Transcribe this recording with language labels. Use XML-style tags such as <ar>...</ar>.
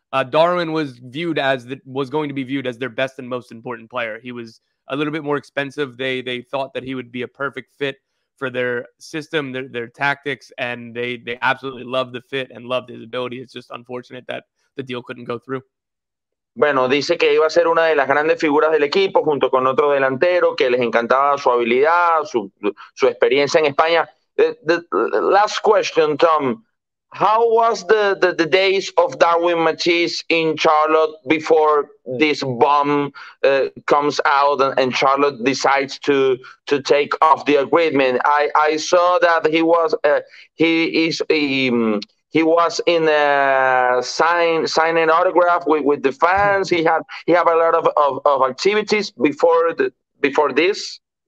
<en>Darwin was viewed as going to be viewed as their best and most important player. He was a little bit more expensive. They thought that he would be a perfect fit for their system, their tactics, and they absolutely loved the fit and loved his ability. It's just unfortunate that the deal couldn't go through.</en> <es>Bueno, dice que iba a ser una de las grandes figuras del equipo junto con otro delantero, que les encantaba su habilidad, su experiencia en España.</es> <en>The last question, Tom. How was the days of Darwin Machis in Charlotte before this bomb comes out and Charlotte decides to take off the agreement? I saw that he was signing autograph with the fans. He had a lot of activities before this.</en>